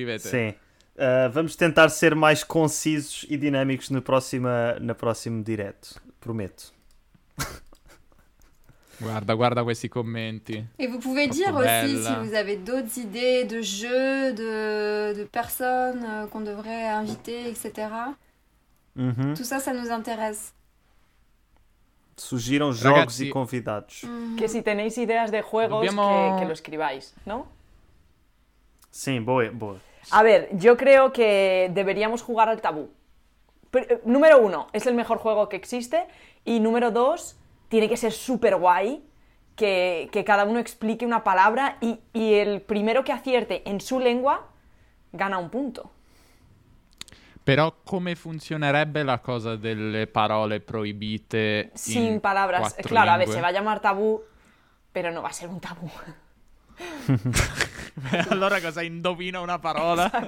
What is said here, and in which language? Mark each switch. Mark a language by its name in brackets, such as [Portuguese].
[Portuguese] Sì, vamos tentar ser mais concisos e dinâmicos na próxima direto, prometo. [Italian] Guarda questi commenti. [French] E vous pouvez dire aussi si vous avez d'autres idées de jeux, de personnes qu'on devrait inviter, etc. Mm-hmm. Tout ça, ça nous intéresse. [Portuguese] Surgiram jogos e convidados. [Spanish] Que si tenéis ideas de juegos, que lo escribáis, ¿no? Sí, voy. A ver, yo creo que deberíamos jugar al tabú. Número uno, es el mejor juego que existe. Y número dos, tiene que ser súper guay que cada uno explique una palabra y el primero que acierte en su lengua gana un punto. [Italian] Però come funzionerebbe la cosa delle parole proibite [Spanish] sin [Italian] in [Spanish] palabras. [Italian] Quattro lingue? [Spanish] Claro, a ver, se va a llamar tabú, pero no va a ser un tabú. [Italian] Beh, allora cosa, indovina una parola esatto.